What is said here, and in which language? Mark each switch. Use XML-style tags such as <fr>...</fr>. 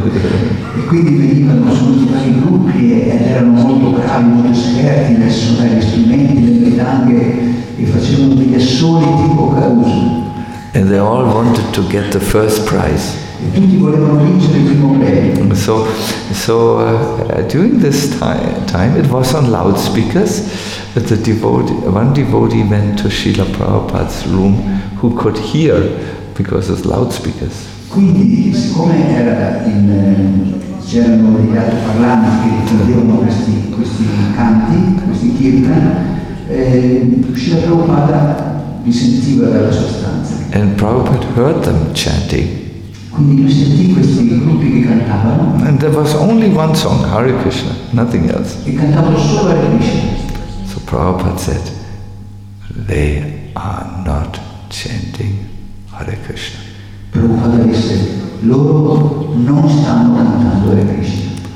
<it>E quindi venivano assoluti vari gruppi e erano molto bravi, molto esperti nel suonare gli strumenti, le madanghe, e facevano degli assoli tipo Caruso.</it> <en>And they all wanted to get the first prize.</en> <it>E tutti volevano vincere il primo premio.</it> <en>During this time it was on loudspeakers, but one devotee went to Srila Prabhupada's room who could hear because of loudspeakers.</en> <it>Quindi siccome era in c'erano gli altoparlanti che sentivano questi canti, questi kirtan, Srila Prabhupada li sentiva dalla sua stanza.</it> <en>And Prabhupada heard them chanting. And there was only one song, Hare Krishna, nothing else. So Prabhupada said, they are not chanting Hare Krishna.</en> <it>Prabhupada disse, loro non stanno cantando Hare Krishna.</it>